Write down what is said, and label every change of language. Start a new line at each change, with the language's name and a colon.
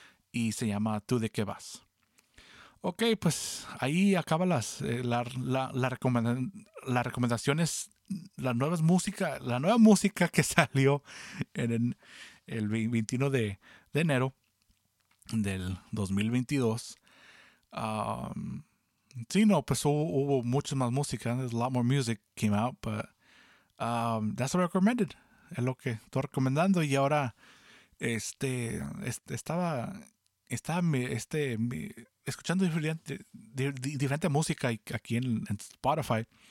Spanish: Y se llama Tú de qué vas. Ok, pues ahí acaban las recomendaciones, la nueva música que salió en el 21 de enero del 2022. Hubo mucha más música.
English: There's a lot more music came out, but that's what I recommended.
Spanish: Es lo que estoy recomendando. Y ahora, escuchando diferente música aquí en Spotify.